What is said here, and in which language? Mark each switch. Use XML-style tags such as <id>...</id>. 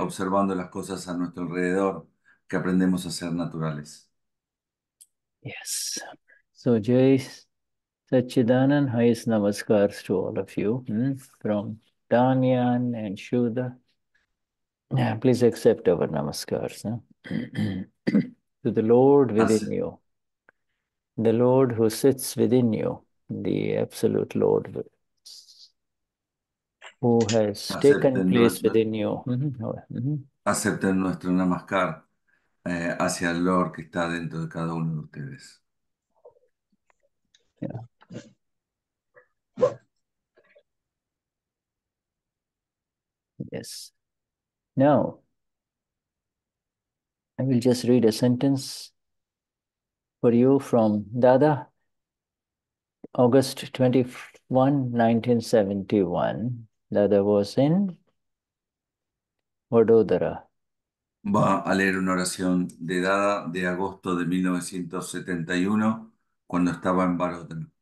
<es>observando las cosas a nuestro alrededor que aprendemos a ser naturales.</es> <en>Yes. So, Jai Sachidanan, highest namaskars to all of you. From Damian and Shuddha. Please accept our namaskars. To the Lord within you, the Lord who sits within you, the Absolute Lord, who has taken place within you.</en> <es>Acepten nuestro namaskar hacia el Lord que está dentro de cada uno de ustedes.</es> <en>Yes. Now, I will just read a sentence for you from Dada, August 21, 1971. Dada was in Vadodara.</en> <es>Va a leer una oración de Dada de agosto de 1971, cuando estaba en Baroda.</es>